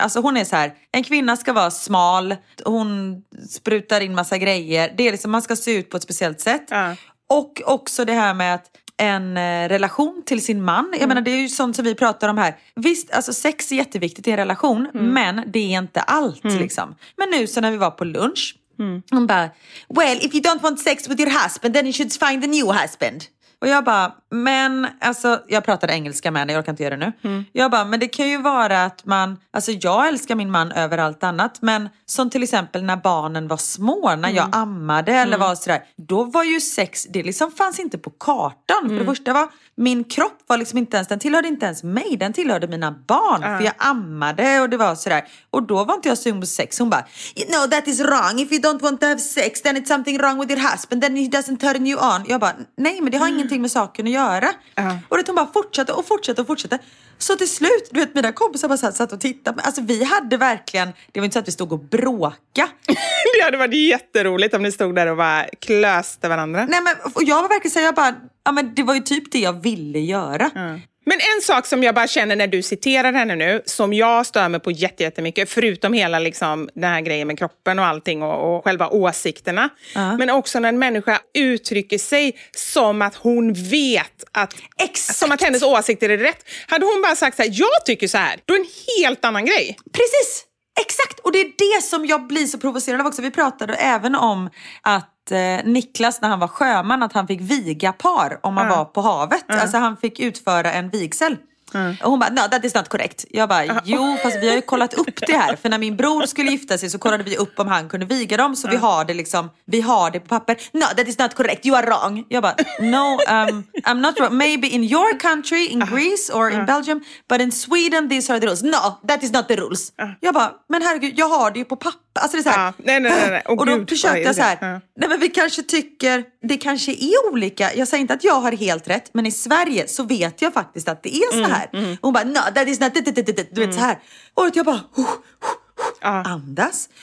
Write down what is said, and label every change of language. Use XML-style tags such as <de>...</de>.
<sv>Alltså hon är så här, en kvinna ska vara smal. Hon sprutar in massa grejer. Det är liksom, man ska se ut på ett speciellt sätt. Och också det här med att en relation till sin man. Jag menar, det är ju sånt som vi pratar om här. Visst, alltså sex är jätteviktigt i en relation. Men det är inte allt, liksom. Men nu så när vi var på lunch. Hon bara,</sv> <en>well, if you don't want sex with your husband, then you should find a new husband.</en> <sv>Och jag bara, men, alltså, jag pratade engelska med henne, jag kan inte göra det nu. Jag bara, men det kan ju vara att man, alltså jag älskar min man över allt annat. Men som till exempel när barnen var små, när jag ammade eller var sådär. Då var ju sex, det liksom fanns inte på kartan. För det första var, min kropp var liksom inte ens, den tillhörde inte ens mig, den tillhörde mina barn. För jag ammade och det var sådär. Och då var inte jag sugen på sex.</sv> <en>Hon bara, no, that is wrong. If you don't want to have sex, then it's something wrong with your husband. Then he doesn't turn you on.</en> <sv>Jag bara, nej, men det har ingenting med saken att göra. Och det hon bara fortsatte och fortsatte och fortsatte. Så till slut, du vet, mina kompisar bara satt och tittade. Alltså vi hade verkligen, det var inte så att vi stod och bråka. Det hade varit jätteroligt om ni stod där och bara klöste varandra. Nej, men och jag var verkligen så här, jag bara, ja men det var ju typ det jag ville göra. Men en sak som jag bara känner när du citerar henne nu, som jag stör mig på jättemycket, förutom hela liksom den här grejen med kroppen och allting och själva åsikterna. Men också när en människa uttrycker sig som att hon vet att, som att hennes åsikter är rätt. Hade hon bara sagt så här, jag tycker så här, då är en helt annan grej. Precis, exakt. Och det är det som jag blir så provocerad av också. Vi pratade även om att Niklas, när han var sjöman, att han fick viga par om man var på havet. Alltså han fick utföra en vigsel. Och hon bara,</sv> <en>no, that is not correct.</en> <sv>Jag bara, jo, fast vi har ju kollat upp det här. För när min bror skulle gifta sig så kollade vi upp om han kunde viga dem. Så vi har det liksom, vi har det på papper.</sv> <en>No, that is not correct, you are wrong.</en> <sv>Jag bara,</sv> <en>no, I'm not wrong. Maybe in your country, in Greece or in Belgium. But in Sweden, these are the rules. No, that is not the rules.</en> <sv>Jag bara, men herregud, jag har det ju på papper. Alltså det är så här, nej. Och då försökte jag så här, nej men vi kanske tycker, det kanske är olika. Jag säger inte att jag har helt rätt, men i Sverige så vet jag faktiskt att det är så här. Och hon bara,</sv> <en>no, that is not,</en> <sv>du vet så här. Och jag bara, andas.</sv>